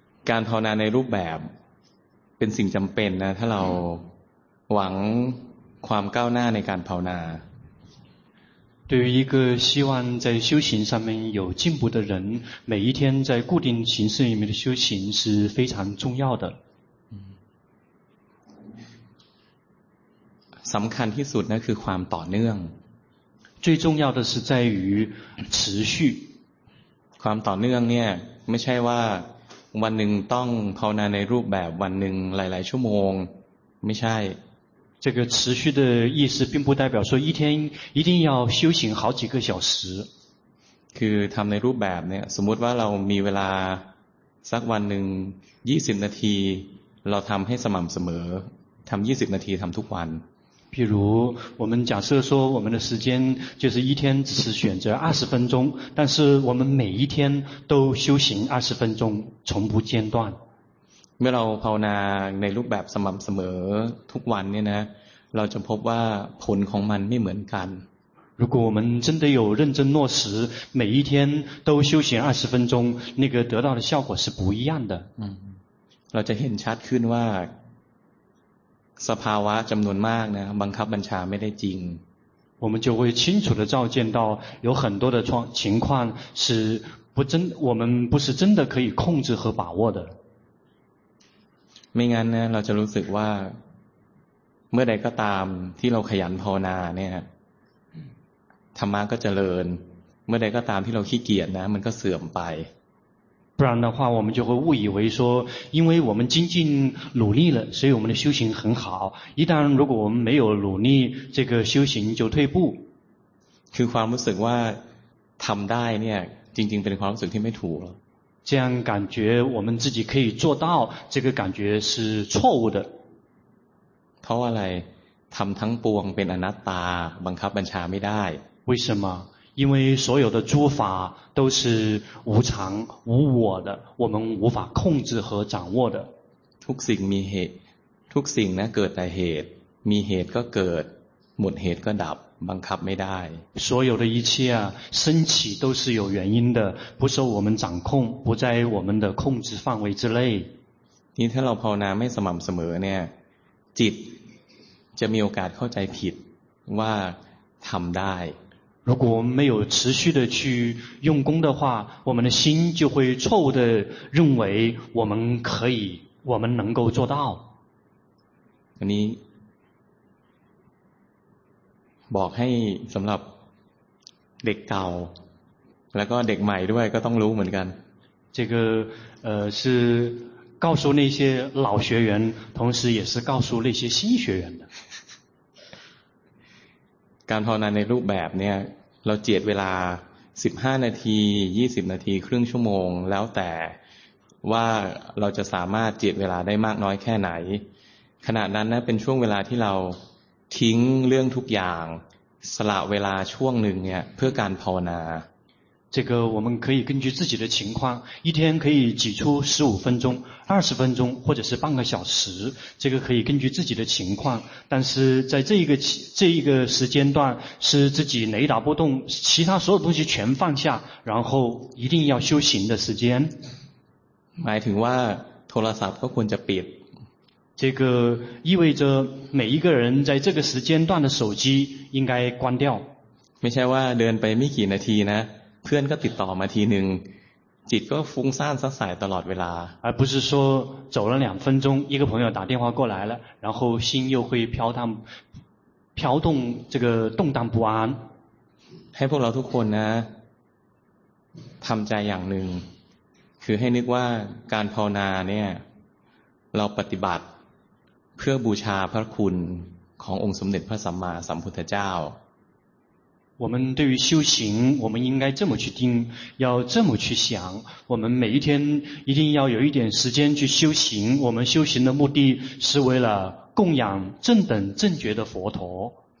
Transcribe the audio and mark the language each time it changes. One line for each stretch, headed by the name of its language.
Thai: การภาวนาในรูปแบบเป็นสิ่งจำเป็นนะถ้าเราหวังความก้าวหน้าในการภาวนา
Chinese: 对于一个希望在修行上面有进步的人每一天在固定形式里面的修行是非常重要的
Thai: สำคัญที่สุดนั่นคือความต่อเนื่อง
Chinese: 最重要的是在于持续
Thai: ความต่อเนื่องเนี่ยไม่ใช่ว่าวันหนึ่งต้องภาวนาในรูปแบบวันหนึ่งหลายๆชั่วโมงไม่ใช่
Chinese: 这个持续的意思并不代表说一天一定要修行好几个小时
Thai: คือทำในรูปแบบเนี่ยสมมติว่าเรามีเวลาสักวันหนึ่ง20นาทีเราทำให้สม่ำเสมอทำ20นาทีทำทุกวัน
Chinese: 譬如我们假设说我们的时间就是一天只是选择20分钟但是我们每一天都修行20分钟从不间断
Thai: เมื่อเราภาวนาในรูปแบบสม่ำเสมอทุกวันเนี่ยนะเราจะพบว่าผลของมันไม่เหมือนกัน
Chinese: 如果我们真的有认真落实每一天都修行20分钟那个得到的效果是不一样的
Thai: เราจะเห็นชัดขึ้นว่าสภาวะจำนวนมากนะบังคับบัญชาไม่ได้จริง
Chinese: 我们就会清楚的照见到有很多的情况是不真我们不是真的可以控制和把握的
Thai: ไม่งั้นนะเราจะรู้สึกว่าเมื่อใดก็ตามที่เราขยันภาวนาเนี่ยธรรมะก็เจริญเมื่อใดก็ตามที่เราขี้เกียจนะมันก็เสื่อมไป
Chinese: 不然的话我们就会误以为说因为我们精进努力了所以我们的修行很好一旦如果我们没有努力这个修行就退步
Thai: คือความรู้สึกว่าทำได้เนี่ยจริงๆเป็นความรู้สึกที่ไม่ถูก
Chinese: 这样感觉我们自己可以做到这个感觉是错误的
Thai: เพราะอะไรทำทั้งปวงเป็นอนัตตาบังคับบัญชาไม่ได้
Chinese: 为什么因为所有的诸法都是无常无我的，我们无法控制和掌握的。
Thai: ทุกสิ่งมีเหตุทุกสิ่งนะเกิดแต่เหตุมีเหตุก็เกิดหมดเหตุก็ดับบังคับไม่ได้
Chinese: 所有的一切啊升起都是有原因的不受我们掌控不在我们的控制范围之内
Thai: นี่ถ้าเราภาวนาไม่สม่ำเสมอเนี่ยจิตจะมีโอกาสเข้าใจผิดว่าทำได้
Chinese: 如果没有持续的去用功的话，我们的心就会错误的认为我们可以，我们能够做到。
Thai: 你，บอกให้สำหรับเด็กเก่าแล้วก็เด็กใหม่ด้วยก็ต้องรู้เหมือนกัน。
Chinese: 这个是告诉那些老学员，同时也是告诉那些新学员的。
Thai: การภาวนาในรูปแบบเนี่ยเราเจียดเวลา15นาที20นาทีครึ่งชั่วโมงแล้วแต่ว่าเราจะสามารถเจียดเวลาได้มากน้อยแค่ไหนขณะนั้นนะเป็นช่วงเวลาที่เราทิ้งเรื่องทุกอย่างสละเวลาช่วงหนึ่งเนี่ยเพื่อการภาวนา
Chinese: 这个我们可以根据自己的情况一天可以挤出15分钟20分钟或者是半个小时这个可以根据自己的情况但是在这一个时间段是自己雷打不动其他所有东西全放下然后一定要修行的时间
Thai: หมายถึงว่าโทรศัพท์ก็ควรจะปิด
Chinese: 这个意味着每一个人在这个时间段的手机应该关掉
Thai: ไม่ใช่ว่าเดินไปไม่กี่นาทีนะเพื่อนก็ติดต่อมาทีหนึ่งจิตก็ฟุ้งซ่านซัดสายตลอดเวลา
Chinese: 而不是说走了两分钟一个朋友打电话过来了然后心又会飘动这个动荡不安
Thai: ให้พวกเราทุกคนนะทำใจอย่างหนึ่งคือให้นึกว่าการภาวนาเนี่ยเราปฏิบัติเพื่อบูชาพระคุณขององค์สมเด็จพระสัมมาสัมพุทธเจ้า
Chinese: 我们对于修行我们应该这么去定要这么去想我们每一天一定要有一点时间去修行我们修行的目的是为了供养正等正觉的佛陀